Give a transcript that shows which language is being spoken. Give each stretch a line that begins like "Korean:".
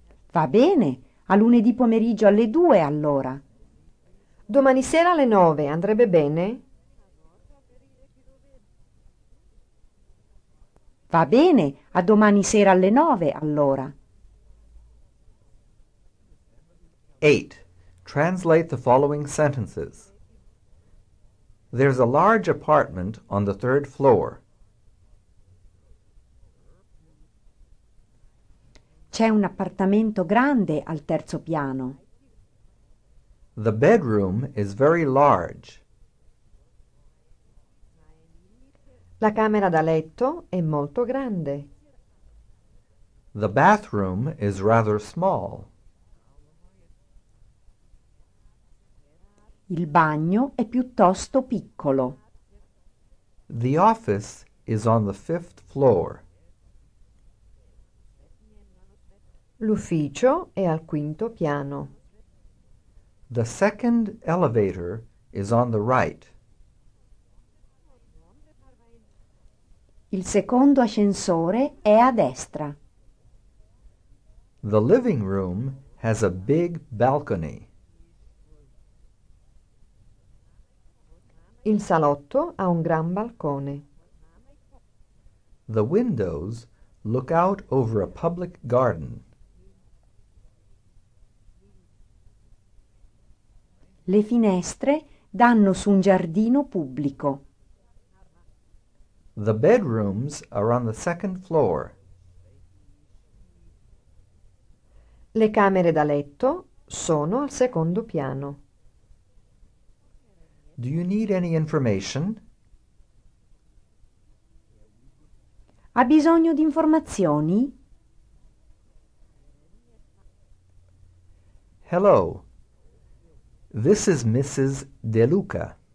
Italian: Va bene, a lunedì pomeriggio alle 2, allora. Domani sera alle 9, andrebbe bene? Va bene, a domani sera alle 9, allora.
English: 8. Translate the following sentences. There's a large apartment on the third floor.
Italian: C'è un appartamento grande al terzo piano.
English: The bedroom is very large.
Italian: La camera da letto è molto grande.
English: The bathroom is rather small.
Italian: Il bagno è piuttosto piccolo.
English: The office is on the fifth floor.
Italian: L'ufficio è al quinto piano.
English: The second elevator is on the right.
Italian: Il secondo ascensore è a destra.
English: The living room has a big balcony.
Italian: Il salotto ha un gran balcone.
English: The windows look out over a public garden.
Italian: Le finestre danno su un giardino pubblico.
English: The bedrooms are on the second floor.
Italian: Le camere da letto sono al secondo piano.
English: Do you need any information?
Italian: Ha bisogno di informazioni?
English: Hello. This is Mrs. De Luca.